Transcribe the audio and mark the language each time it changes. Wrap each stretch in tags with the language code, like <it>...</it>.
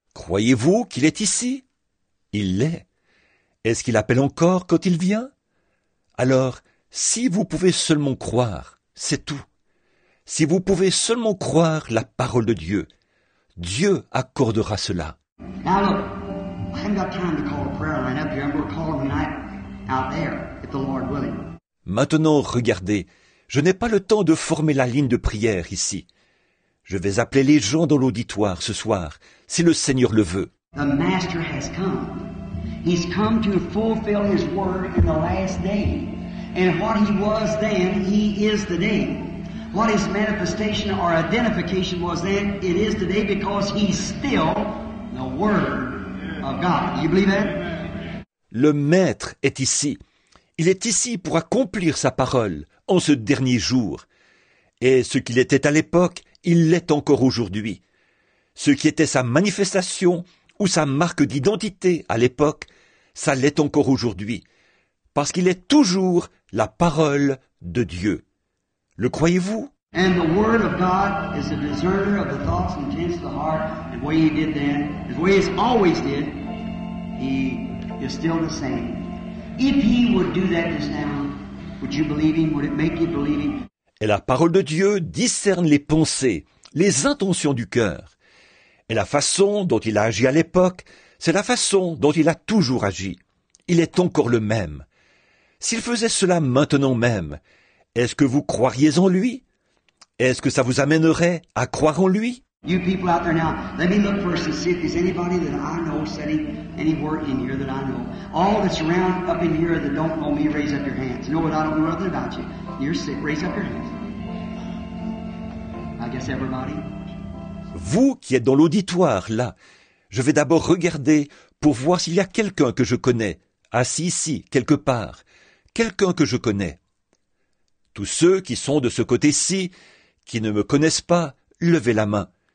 <fr>Croyez-vous qu'il est ici? Il l'est. Est-ce qu'il appelle encore quand il vient? Alors, si vous pouvez seulement croire, c'est tout. Si vous pouvez seulement croire la parole de Dieu, Dieu accordera cela.</fr> <en>Now look, I haven't got time to call a prayer line up here. I'm going to call them tonight out there, if the Lord willing.</en> <fr>Maintenant, regardez, je n'ai pas le temps de former la ligne de prière ici. Je vais appeler les gens dans l'auditoire ce soir, si le Seigneur le veut.</fr> <en>The Master has come. He's come to fulfill his word in the last day. And what he was then, he is today. What his manifestation or identification was then, it is today because he's still the word of God. You believe that?</en> <fr>Le maître est ici. Il est ici pour accomplir sa parole en ce dernier jour. Et ce qu'il était à l'époque, il l'est encore aujourd'hui. Ce qui était sa manifestation ou sa marque d'identité à l'époque, ça l'est encore aujourd'hui, parce qu'il est toujours la parole de Dieu. Le croyez-vous?</fr> <en>And the word of God is the discerner of the thoughts and intents of the heart, and the way he did then, the way he's always did, he is still the same. If he would do that just now, would you believe him? Would it make you believe him?</en> <fr>Et la parole de Dieu discerne les pensées, les intentions du cœur. Et la façon dont il a agi à l'époque, c'est la façon dont il a toujours agi. Il est encore le même. S'il faisait cela maintenant même, est-ce que vous croiriez en lui? Est-ce que ça vous amènerait à croire en lui?</fr> <en>You people out there now, let me look first and see if there's anybody that I know setting any work in here that I know. All that's around up in here that don't know me, raise up your hands. You know what? I don't know nothing about you. You're sick. Raise up your hands. I guess everybody.</en> <fr>Vous qui êtes dans l'auditoire, là, je vais d'abord regarder pour voir s'il y a quelqu'un que je connais, assis ici, quelque part, quelqu'un que je connais. Tous ceux qui sont de ce côté-ci, qui ne me connaissent pas, levez la main.</fr>